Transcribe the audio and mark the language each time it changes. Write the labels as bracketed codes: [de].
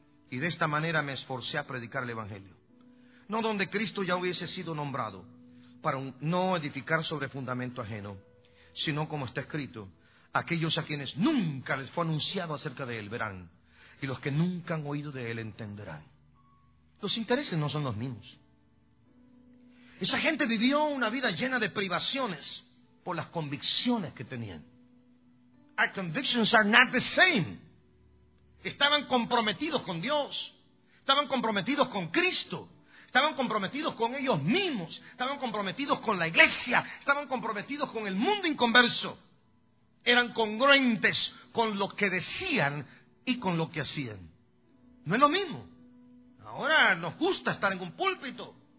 [es] Y de esta manera me esforcé a predicar el Evangelio. No donde Cristo ya hubiese sido nombrado, para no edificar sobre fundamento ajeno, sino como está escrito, aquellos a quienes nunca les fue anunciado acerca de él verán, y los que nunca han oído de él entenderán. Los intereses no son los mismos. Esa gente vivió una vida llena de privaciones por las convicciones que tenían. [en] Our convictions are not the same. [es] Estaban comprometidos con Dios. Estaban comprometidos con Cristo. Estaban comprometidos con ellos mismos. Estaban comprometidos con la iglesia. Estaban comprometidos con el mundo inconverso. Eran congruentes con lo que decían y con lo que hacían. No es lo mismo. Ahora nos gusta estar en un púlpito.